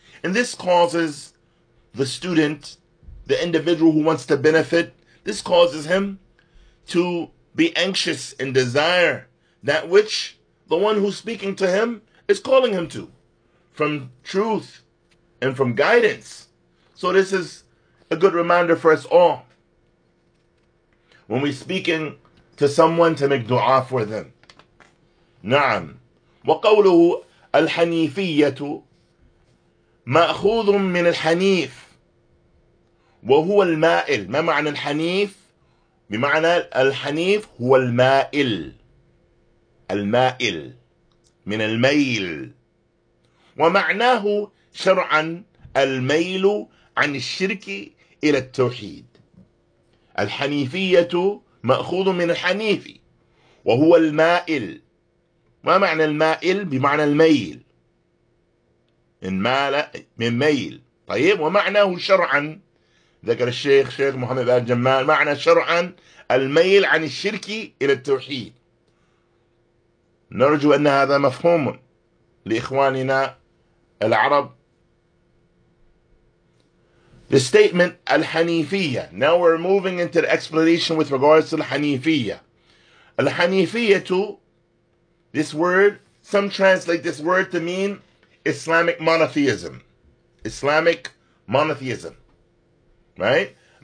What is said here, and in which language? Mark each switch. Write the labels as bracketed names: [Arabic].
[English] And this causes the student, the individual who wants to benefit, this causes him to be anxious and desire that which the one who's speaking to him is calling him to, from truth and from guidance. So this is a good reminder for us all. When we're speaking to someone to make dua for them. [Arabic] نعم. وقوله الحنيفية مأخوذ من الحنيف وهو المائل. ما معنى الحنيف؟ بمعنى الحنيف هو المائل. المائل من الميل ومعناه شرعا الميل عن الشرك إلى التوحيد. الحنيفية مأخوذ من الحنيف وهو المائل. ما معنى المائل؟ بمعنى الميل إن مال من ميل. طيب ومعناه شرعا ذكر الشيخ محمد بن جمال معنى شرعا الميل عن الشرك إلى التوحيد. نرجو أن هذا مفهوم لإخواننا العرب. [English] The statement الحنيفية. Now we're moving into the explanation with regards to الحنيفية. الحنيفية to this word, some translate this word to mean Islamic monotheism. Islamic monotheism. Right?